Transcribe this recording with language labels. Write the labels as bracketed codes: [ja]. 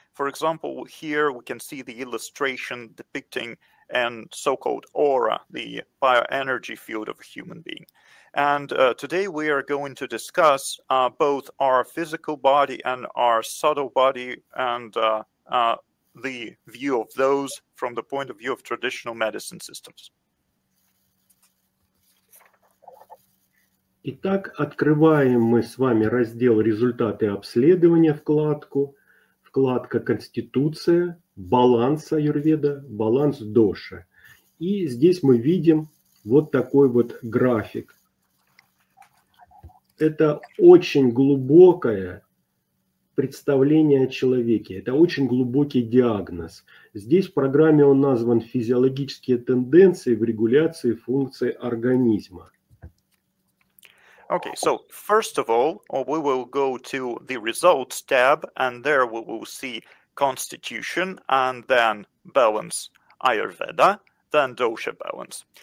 [en] For example, here we can see the illustration depicting an so-called aura, the bioenergy field of a human being. And today we are going to discuss both our physical body and our subtle body and the view of those from the point of view of traditional medicine systems. [ru] Итак, открываем мы с вами раздел «Результаты обследования» вкладку. Вкладка «Конституция», «Баланс Аюрведа», «Баланс Доша». И здесь мы видим вот такой вот график. Это очень глубокая представление о человеке. Это очень глубокий диагноз. Здесь в программе он назван физиологические тенденции в регуляции функций организма. [en] Okay, so first of all, we will go to the results tab, and there we will see constitution, and then balance Ayurveda, then dosha balance.